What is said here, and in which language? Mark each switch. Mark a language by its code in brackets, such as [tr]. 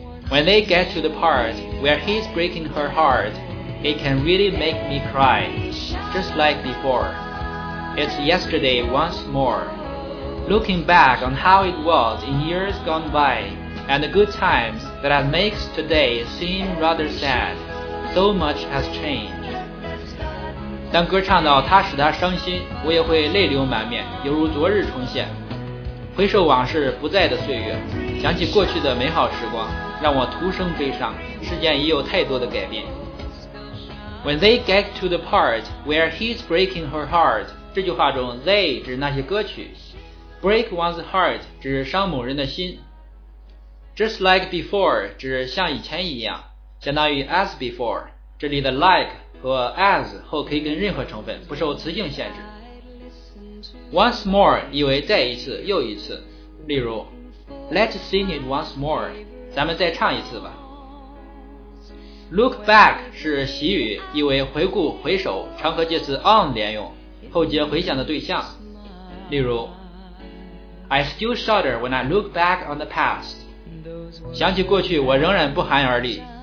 [en] When they get to the part where he's breaking her heart, it can really make me cry, just like before. It's yesterday once more. Looking back on how it was in years gone by, and the good times that makes today seem rather sad, so much has changed. [zh] 当歌唱到他使他伤心，我也会泪流满面，犹如昨日重现，回首往事不在的岁月，想起过去的美好时光，让我徒生悲伤，世间已有太多的改变。 [en] When they get to the part where he's breaking her heart, [zh] 这句话中 they 指那些歌曲， break one's heart 指伤某人的心， just like before 指像以前一样，相当于 as before， 这里的 like和 as 后可以跟任何成分，不受词性限制。 Once more 意为再一次、又一次，例如 [en] Let's sing it once more， [zh] 咱们再唱一次吧。 Look back 是习语，意为回顾、回首，常和介词 on 连用，后接回想的对象，例如 [en] I still shudder when I look back on the past， [zh] 想起过去我仍然不寒而栗。